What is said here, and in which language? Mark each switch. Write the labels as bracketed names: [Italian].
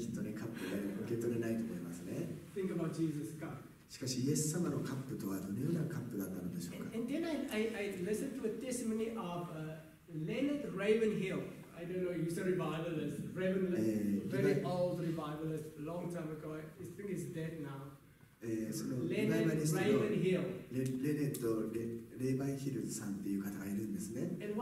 [Japanese] 皆さんもどうでしょうか。そんなところでね、きっとね、カップが受け取れないと思いますね。 [English] Think about Jesus' cup. [Japanese] しかしイエス様のカップとはどのようなカップだったのでしょうか。 [English] And then I listened to a testimony of Leonard Ravenhill. I don't know, he's a revivalist, very old revivalist, long time ago. I think he's dead now. [Japanese] レネット・レイヴァンヒルさんっていう方がいるんですね。